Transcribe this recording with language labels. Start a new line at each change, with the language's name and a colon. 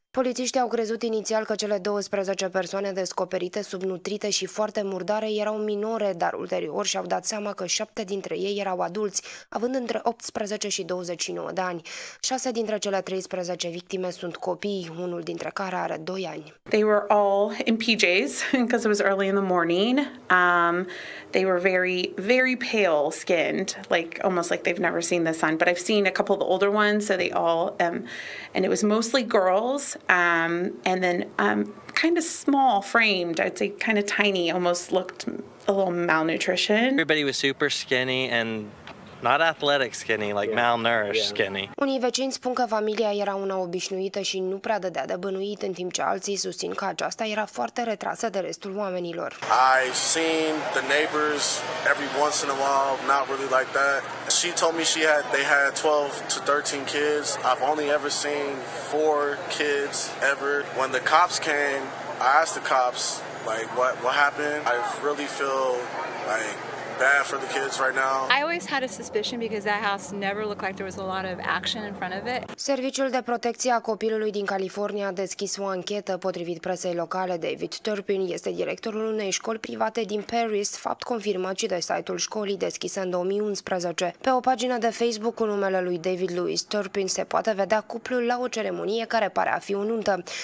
Romanian: Polițiștii au crezut inițial că cele 12 persoane descoperite subnutrite și foarte murdare erau minore, dar ulterior și-au dat seama că 7 dintre ei erau adulți, având între 18 și 29 de ani. 6 dintre cele 13 victime sunt copii, unul dintre care are 2 ani.
English: They were all in PJs because it was early in the morning. They were very, very pale skinned, like almost like they've never seen the sun, but I've seen a couple of the older ones, so they all and it was mostly girls. And then kind of small framed, I'd say kind of tiny, almost looked a little malnutrition. Everybody was super skinny and not athletic skinny, like malnourished skinny.
Romanian: Unii vecini spun că familia era una obișnuită și nu prea dădea de bănuit, în timp ce alții susțin că aceasta era foarte retrasă de restul oamenilor.
English: I've seen the neighbors every once in a while, not really like that. She told me they had 12 to 13 kids. I've only ever seen 4 kids ever. When the cops came, I asked the cops, like, what happened? I really feel like bad for the kids right now. I always had a suspicion because that house never looked like there was a lot of action in front of it.
Romanian: Serviciul de protecție a copilului din California a deschis o anchetă. Potrivit presei locale, David Turpin este directorul unei școli private din Paris, fapt confirmat și de site-ul școlii deschisă în 2011. Pe o pagină de Facebook cu numele lui David Louis Turpin se poate vedea cuplul la o ceremonie care pare a fi o nuntă.